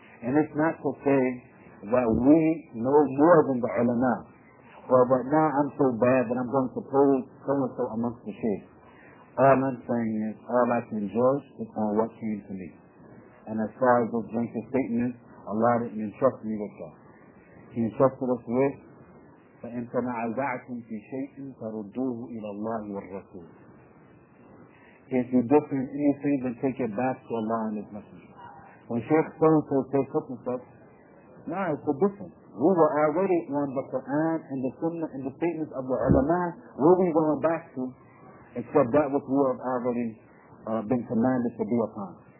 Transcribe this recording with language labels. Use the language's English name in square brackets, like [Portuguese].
[English] And it's not to say that we know more than the ulama. Well, but now I'm so bad that I'm going to pose so-and-so amongst the shaykhs. All I'm saying is, all I can judge is on what came to me. And as far as those blanket statements, Allah didn't entrust me with that. He entrusted us with, [Arabic] فَإِن تَنَعَزَعْتُمْ فِي شَيْءٍ فَرُدُّوهُ إِلَى اللَّهِ وَالرَّسُولِ. [English] If you differ in anything, then take it back to Allah and His Messenger. When Shaykh so-and-so says something to us, nah, it's a difference. We were already on the Quran and the Sunnah and the statements of the ulama. Where are we going back to except that which we have already been commanded to be upon?